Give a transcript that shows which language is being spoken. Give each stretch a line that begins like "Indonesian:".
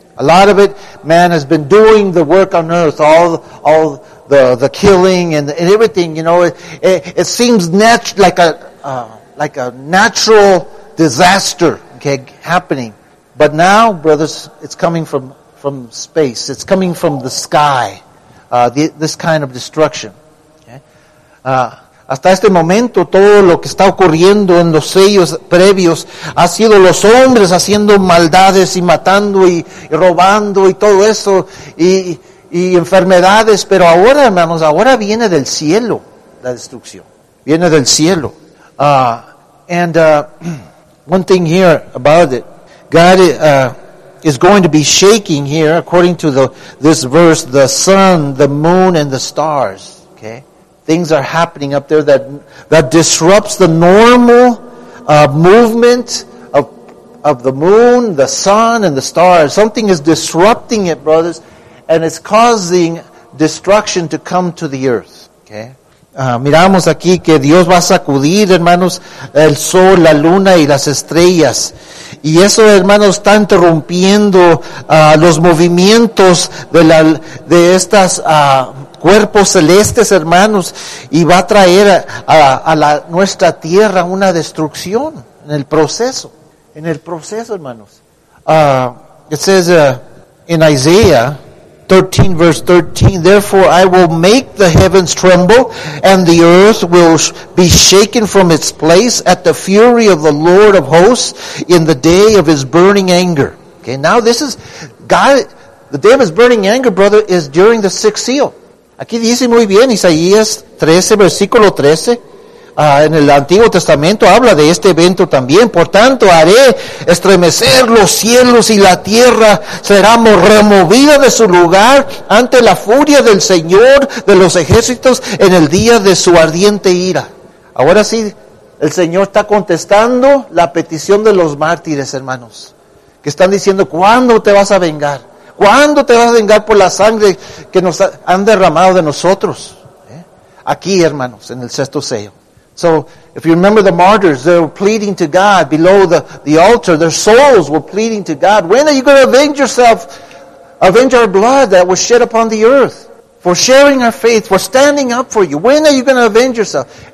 English: A lot of it, man has been doing the work on earth, all the killing and everything, you know, it seems like a natural disaster, okay, happening. But now, brothers, it's coming from space. It's coming from the sky, this kind of destruction.
Spanish: Hasta este momento, todo lo que está ocurriendo en los sellos previos ha sido los hombres haciendo maldades y matando y robando y todo eso y enfermedades. Pero ahora, hermanos, ahora viene del cielo la destrucción. Viene del cielo.
English: One thing here about it. God is going to be shaking here, according to this verse, the sun, the moon, and the stars. Okay, things are happening up there that disrupts the normal movement of the moon, the sun, and the stars. Something is disrupting it, brothers, and it's causing destruction to come to the earth. Okay.
Spanish: Miramos aquí que Dios va a sacudir, hermanos, el sol, la luna y las estrellas. Y eso, hermanos, está interrumpiendo los movimientos de estos cuerpos celestes, hermanos, y va a traer a nuestra tierra una destrucción en el proceso. En el proceso, hermanos.
English: It says in Isaiah 13, verse 13, therefore I will make the heavens tremble, and the earth will be shaken from its place at the fury of the Lord of hosts in the day of his burning anger. Okay, now this is God, the day of his burning anger, brother, is during the sixth seal.
Spanish: Aquí dice muy bien, Isaías 13, versículo 13. En el Antiguo Testamento habla de este evento también. Por tanto, haré estremecer los cielos y la tierra será removida de su lugar ante la furia del Señor de los ejércitos en el día de su ardiente ira. Ahora sí, el Señor está contestando la petición de los mártires, hermanos, que están diciendo, ¿cuándo te vas a vengar? ¿Cuándo te vas a vengar por la sangre que nos han derramado de nosotros? Aquí, hermanos, en el sexto sello.
English: So, if you remember the martyrs, they were pleading to God below the altar. Their souls were pleading to God. When are you going to avenge yourself, avenge our blood that was shed upon the earth? For sharing our faith, for standing up for you. When are you going to avenge yourself?